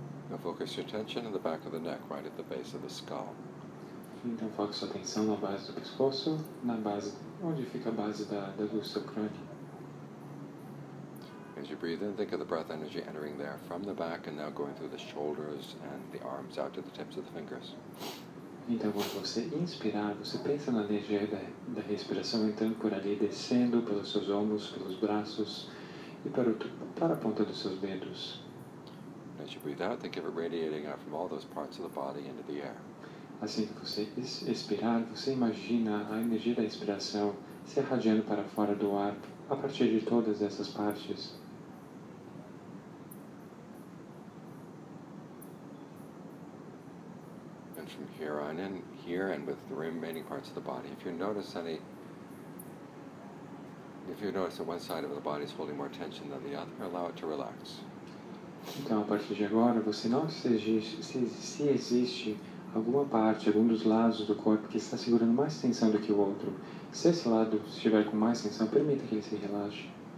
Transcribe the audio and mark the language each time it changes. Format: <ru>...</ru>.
<en>Now focus your attention in the back of the neck, right at the base of the skull.</en> <pt>Então foca sua atenção na base do pescoço, na base onde fica a base da do seu crânio.</pt> <en>As you breathe in, think of the breath energy entering there from the back and now going through the shoulders and the arms out to the tips of the fingers.</en> <pt>Então quando você inspirar, você pensa na energia da respiração entrando por ali, descendo pelos seus ombros, pelos braços e para a ponta dos seus dedos.</pt> <en>As you breathe out, think of it radiating out from all those parts of the body into the air.</en> <pt>Assim que você expirar, você imagina a energia da inspiração se irradiando para fora do ar, a partir de todas essas partes.</pt> <en>And from here on in, here and with the remaining parts of the body, if you notice that one side of the body is holding more tension than the other, allow it to relax.</en> <pt>Então, a partir de agora, você se existe alguma parte, algum dos lados do corpo que está segurando mais tensão do que o outro. Se esse lado estiver com mais tensão, permita que ele se relaxe.</pt>